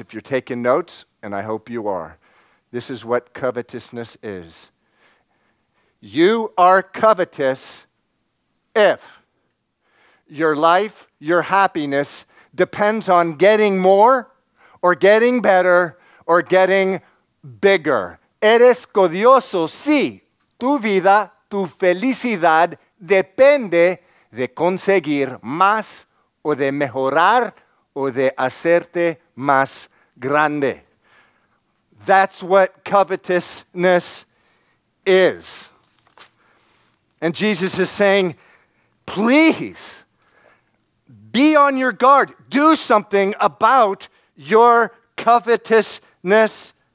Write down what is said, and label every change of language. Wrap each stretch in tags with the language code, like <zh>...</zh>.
<en>If you're taking notes, and I hope you are, this is what covetousness is. You are covetous if your life, your happiness depends on getting more or getting better or getting bigger.</en> <es>Eres codicioso si tu vida, tu felicidad depende de conseguir más o de mejorar o de hacerte más grande.</es> <en>That's what covetousness is. And Jesus is saying, please, be on your guard. Do something about your covetousness.</en>